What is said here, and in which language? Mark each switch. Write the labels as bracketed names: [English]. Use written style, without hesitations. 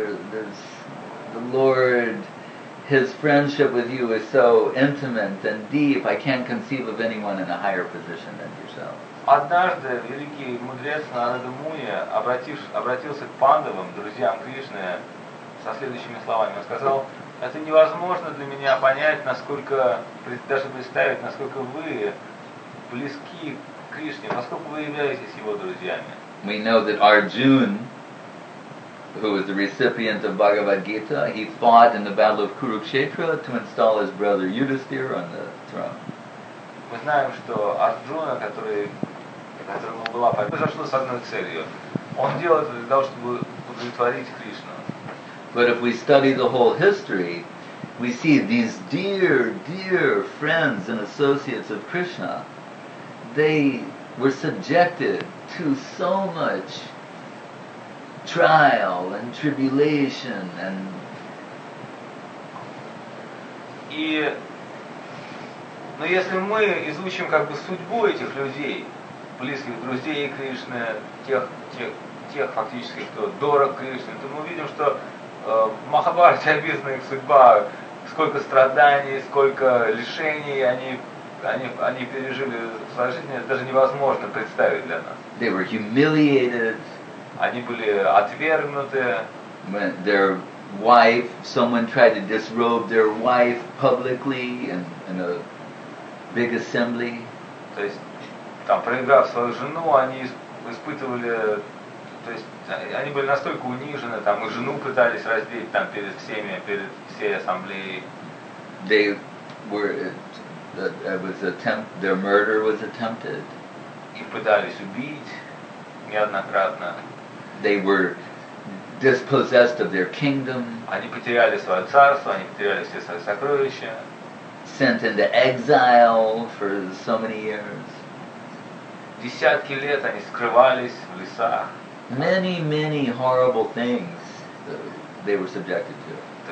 [English] There's the Lord, his friendship with you is so intimate and deep. I can't conceive of anyone in a higher position than yourself. [Russian] Однажды великий мудрец Нарада Муни обратился к Пандавам, друзьям Кришны, со следующими словами. Он сказал: это невозможно для меня понять, насколько, даже представить, насколько вы близки к Кришне, насколько вы являетесь его друзьями. [English] We know that Arjuna, who was the recipient of Bhagavad Gita, he fought in the battle of Kurukshetra to install his brother Yudhisthira on the throne. [Russian] Мы знаем, что Арджуна, которому была победа, зашла с одной целью. Он делал это для того, чтобы удовлетворить Кришну. [English] But if we study the whole history, we see these dear, dear friends and associates of Krishna, they were subjected to so much trial and tribulation and... [Russian] Но если мы изучим как бы судьбу этих людей, близких друзей Кришны, тех фактически, кто дорог Кришне, то мы увидим, что в Махабхарате описана их судьба, сколько страданий, сколько лишений они пережили в своей жизни, это даже невозможно представить для нас. [English] They were humiliated. [Russian] Они были отвергнуты. [English] Their wife, someone tried to disrobe their wife publicly in a big assembly. [Russian] То есть, там, проиграв свою жену, они испытывали, то есть, они были настолько унижены, там, и жену пытались раздеть, там, перед всеми, перед всей ассамблеей. [English] They were, their murder was attempted. [Russian] Их пытались убить неоднократно. [English] They were dispossessed of their kingdom. [Russian] Они потеряли свое царство, они потеряли все свои сокровища. [English] Sent into exile for so many years. [Russian] Десятки лет они скрывались в лесах. [English] Many, many horrible things they were subjected to.